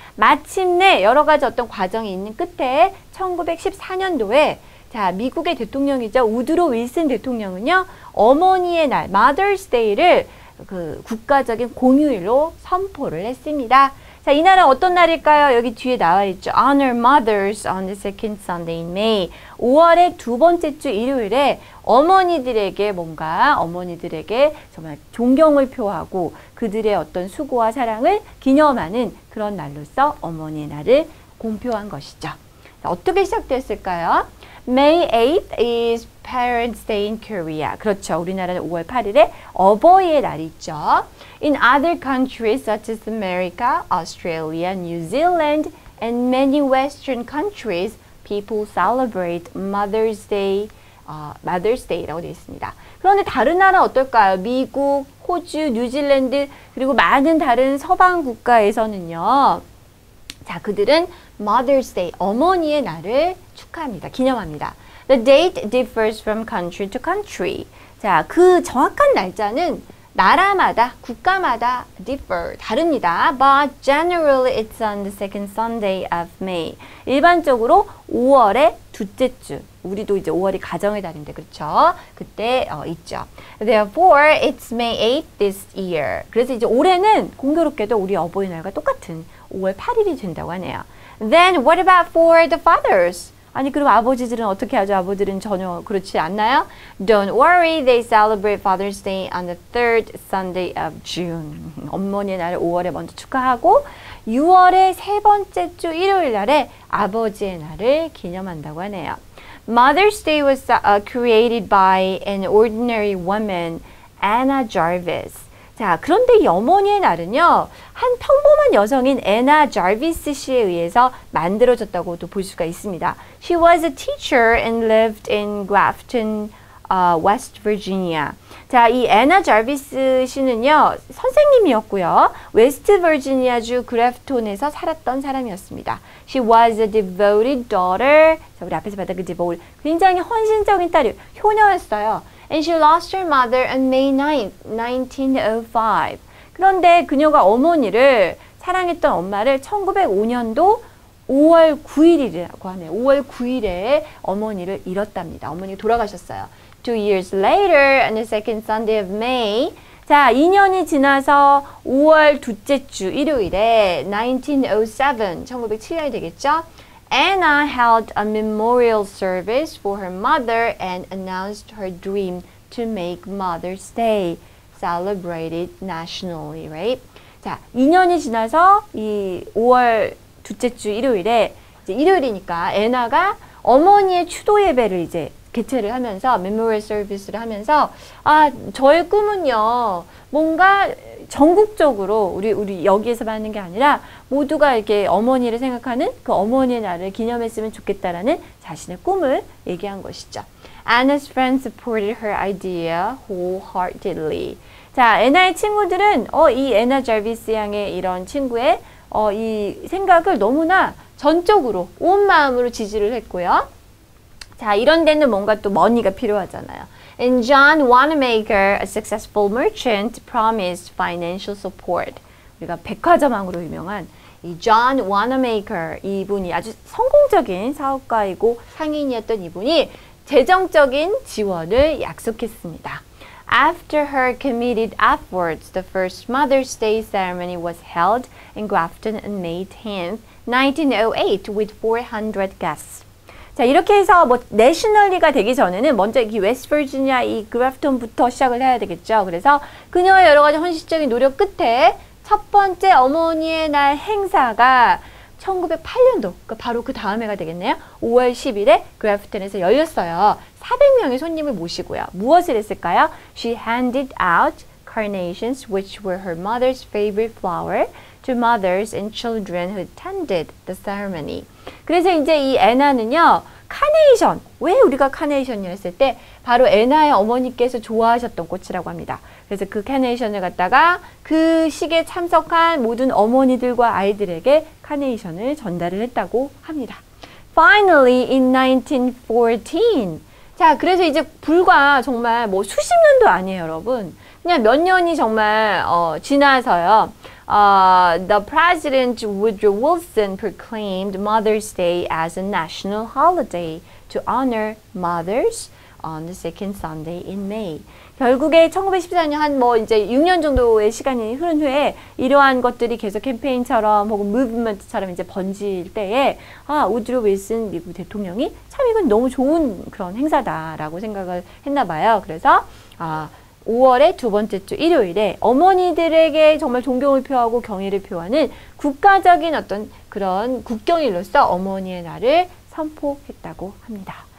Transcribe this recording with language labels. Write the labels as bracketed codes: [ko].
[ko] 마침내 여러 가지 어떤 과정이 있는 끝에 1914년도에 자 미국의 대통령이죠. 우드로 윌슨 대통령은요. 어머니의 날, Mother's Day를 그 국가적인 공휴일로 선포를 했습니다. 자, 이 날은 어떤 날일까요? 여기 뒤에 나와 있죠. [en] Honor Mothers on the second Sunday in May. [ko] 5월의 두 번째 주 일요일에 어머니들에게 뭔가 어머니들에게 정말 존경을 표하고 그들의 어떤 수고와 사랑을 기념하는 그런 날로서 어머니의 날을 공표한 것이죠. 자, 어떻게 시작됐을까요? [en] May 8th is Parents' Day in Korea. [ko] 그렇죠. 우리나라는 5월 8일에 어버이의 날이 있죠. [en] In other countries such as America, Australia, New Zealand, and many Western countries, people celebrate Mother's Day, Mother's Day [ko] 라고 되어 있습니다. 그런데 다른 나라 어떨까요? 미국, 호주, 뉴질랜드, 그리고 많은 다른 서방 국가에서는요. 자, 그들은 Mother's Day, 어머니의 날을 축하합니다. 기념합니다. [en] The date differs from country to country. [ko] 자, 그 정확한 날짜는 나라마다, 국가마다 differ, 다릅니다. [en] But generally it's on the second Sunday of May. [ko] 일반적으로 5월의 둘째 주. 우리도 이제 5월이 가정의 달인데, 그렇죠? 그때 있죠. [en] Therefore, it's May 8th this year. [ko] 그래서 이제 올해는 공교롭게도 우리 어버이날과 똑같은 5월 8일이 된다고 하네요. [en] Then what about for the fathers? [ko] 아니, 그럼 아버지들은 어떻게 하죠? 아버지들은 전혀 그렇지 않나요? [en] Don't worry, they celebrate Father's Day on the third Sunday of June. [ko] 어머니의 날을 5월에 먼저 축하하고 6월의 세 번째 주 일요일 날에 아버지의 날을 기념한다고 하네요. [en] Mother's Day was created by an ordinary woman, Anna Jarvis. [ko] 자, 그런데 이 어머니의 날은요, 한 평범한 여성인 Anna Jarvis 씨에 의해서 만들어졌다고도 볼 수가 있습니다. [en] She was a teacher and lived in Grafton, West Virginia. [ko] 자, 이 Anna Jarvis 씨는요, 선생님이었고요, West Virginia주 그래프톤에서 살았던 사람이었습니다. [en] She was a devoted daughter. [ko] 자, 우리 앞에서 봤던 그 [en] devoted. [ko] 굉장히 헌신적인 딸이, 효녀였어요. [en] And she lost her mother on May 9th, 1905. [ko] 그런데 그녀가 어머니를, 사랑했던 엄마를 1905년도 5월 9일이라고 하네요. 5월 9일에 어머니를 잃었답니다. 어머니가 돌아가셨어요. [en] Two years later, on the second Sunday of May. [ko] 자, 2년이 지나서 5월 둘째 주 일요일에 1907, 1907년이 되겠죠? [en] Anna held a memorial service for her mother and announced her dream to make Mother's Day celebrated nationally, right? [ko] 자, 2년이 지나서 이 5월 둘째 주 일요일에 이제 일요일이니까 애나가 어머니의 추도 예배를 이제 개최를 하면서 memorial service를 하면서 아, 저의 꿈은요. 뭔가 전국적으로 우리 여기에서 받는 게 아니라 모두가 이렇게 어머니를 생각하는 그 어머니의 날을 기념했으면 좋겠다라는 자신의 꿈을 얘기한 것이죠. [en] Anna's friends supported her idea wholeheartedly. [ko] 자, 애나의 친구들은 이 애나 자비스 양의 이런 친구의 이 생각을 너무나 전적으로 온 마음으로 지지를 했고요. 자, 이런 데는 뭔가 또 money가 필요하잖아요. [en] And John Wanamaker, a successful merchant, promised financial support. [ko] 우리가 백화점왕으로 유명한 이 John Wanamaker 이분이 아주 성공적인 사업가이고 상인이었던 이분이 재정적인 지원을 약속했습니다. [en] After her committed efforts, the first Mother's Day ceremony was held in Grafton on May 10, 1908 with 400 guests. [ko] 자, 이렇게 해서 뭐 내셔널리가 되기 전에는 먼저 이 웨스트 버지니아 이 그래프톤부터 시작을 해야 되겠죠. 그래서 그녀의 여러 가지 헌신적인 노력 끝에 첫 번째 어머니의 날 행사가 1908년도, 그러니까 바로 그 다음 해가 되겠네요. 5월 10일에 그래프톤에서 열렸어요. 400명의 손님을 모시고요. 무엇을 했을까요? [en] She handed out carnations, which were her mother's favorite flower, to mothers and children who attended the ceremony. [ko] 그래서 이제 이 애나는요, 카네이션, 왜 우리가 카네이션이었을 때 바로 애나의 어머니께서 좋아하셨던 꽃이라고 합니다. 그래서 그 카네이션을 갖다가 그 식에 참석한 모든 어머니들과 아이들에게 카네이션을 전달을 했다고 합니다. [en] Finally, in 1914. [ko] 자, 그래서 이제 불과 정말 뭐 수십 년도 아니에요, 여러분. 그냥 몇 년이 정말 지나서요. [en] The President Woodrow Wilson proclaimed Mother's Day as a national holiday to honor mothers on the second Sunday in May. [ko] 결국에 1914년 한 뭐 이제 6년 정도의 시간이 흐른 후에 이러한 것들이 계속 캠페인처럼 혹은 무브먼트처럼 이제 번질 때에 아, 우드로 윌슨 미국 대통령이 참 이건 너무 좋은 그런 행사다라고 생각을 했나 봐요. 그래서 아, 5월의 두 번째 주 일요일에 어머니들에게 정말 존경을 표하고 경의를 표하는 국가적인 어떤 그런 국경일로서 어머니의 날을 선포했다고 합니다.